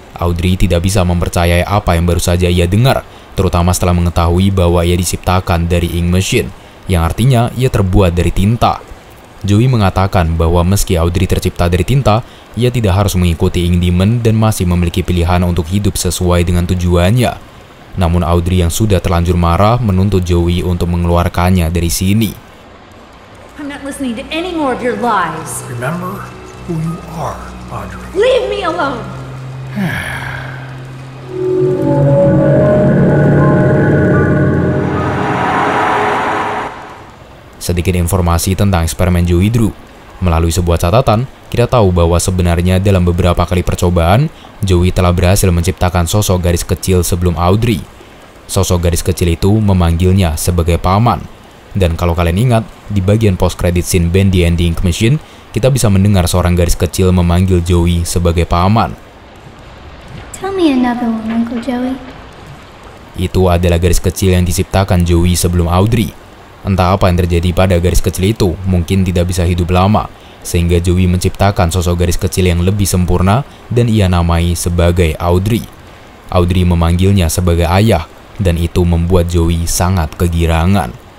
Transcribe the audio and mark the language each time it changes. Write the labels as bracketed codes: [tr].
[id] Audrey tidak bisa mempercayai apa yang baru saja ia dengar, terutama setelah mengetahui bahwa ia diciptakan dari Ink Machine, yang artinya ia terbuat dari tinta. Joey mengatakan bahwa meski Audrey tercipta dari tinta, ia tidak harus mengikuti Ink Demon dan masih memiliki pilihan untuk hidup sesuai dengan tujuannya. Namun Audrey yang sudah terlanjur marah menuntut Joey untuk mengeluarkannya dari sini. [en] I'm not listening to any more of your lies. Remember who you are, Audrey. Leave me alone. [id] Sedikit informasi tentang eksperimen Joey Drew. Melalui sebuah catatan, kita tahu bahwa sebenarnya dalam beberapa kali percobaan, Joey telah berhasil menciptakan sosok gadis kecil sebelum Audrey. Sosok gadis kecil itu memanggilnya sebagai paman. Dan kalau kalian ingat, di bagian post-credit scene Bendy and the Ink Machine, kita bisa mendengar seorang gadis kecil memanggil Joey sebagai paman. [en] Tell me another one, Uncle Joey. [id] Itu adalah gadis kecil yang diciptakan Joey sebelum Audrey. Entah apa yang terjadi pada gadis kecil itu, mungkin tidak bisa hidup lama, sehingga Joey menciptakan sosok gadis kecil yang lebih sempurna dan ia namai sebagai Audrey. Audrey memanggilnya sebagai ayah, dan itu membuat Joey sangat kegirangan.